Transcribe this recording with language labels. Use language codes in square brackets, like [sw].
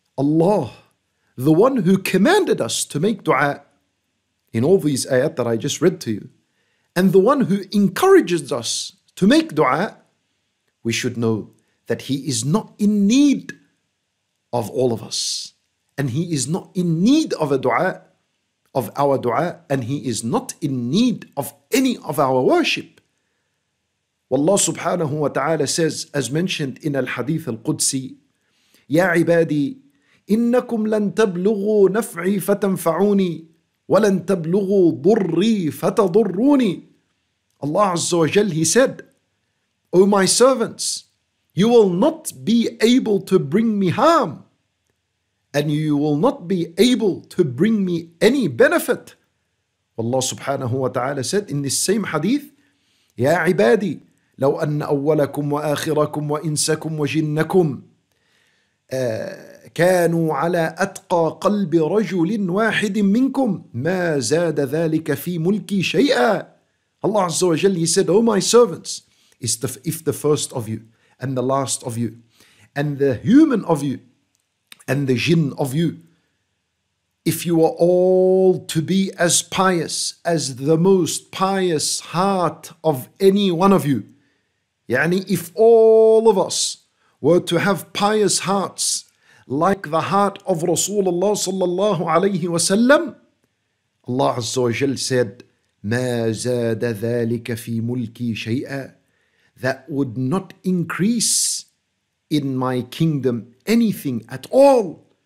[en] Allah, the one who commanded us to make dua in all these ayat that I just read to you, and the one who encourages us to make dua, we should know that He is not in need of all of us. And He is not in need of a dua, of our dua, and He is not in need of any of our worship. Wallah subhanahu wa ta'ala says, as mentioned in al-hadith al-Qudsi, [ar] يَا عِبَادِي إِنَّكُمْ لَنْ تَبْلُغُوا نَفْعِي فَتَنْفَعُونِي وَلَنْ تَبْلُغُوا ضُرِّي فَتَضُرُّونِي. [en] Allah Azza wa Jal, He said, O my servants, you will not be able to bring me harm, and you will not be able to bring me any benefit. Allah subhanahu wa ta'ala said in this same hadith, [ar] يَا عِبَادِي لَوْ أَنَّ أَوَّلَكُمْ وَآخِرَكُمْ وَإِنسَكُمْ وَجِنَّكُمْ كانوا على أتقى قلب رجل واحد منكم ما زاد ذلك في ملكي شيئا. [en] Allah Azza wa Jalla, He said, O my servants, if the first of you and the last of you and the human of you and the jinn of you, if you were all to be as pious as the most pious heart of any one of you, يعني if all of us were to have pious hearts like the heart of Rasulullah sallallahu alayhi wa sallam, Allah Azza wa Jal said, [ar] مَا زَادَ ذَٰلِكَ فِي مُلْكِي شَيْئًا, [en] that would not increase in my kingdom anything at all.